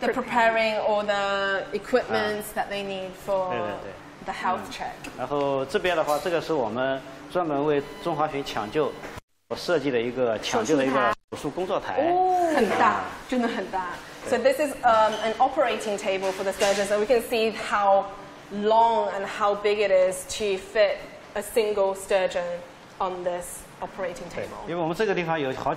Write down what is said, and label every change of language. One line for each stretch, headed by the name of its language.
English: preparing all the equipment that they need for the health check.
Chinese: 然后这边的话, 这个是我们专门为中华鲟抢救设计的一个抢救的一个手术工作台。很大, 真的很大。
English: So this is an operating table for the surgeon, so we can see how long and how big it is to fit a single sturgeon on this operating table.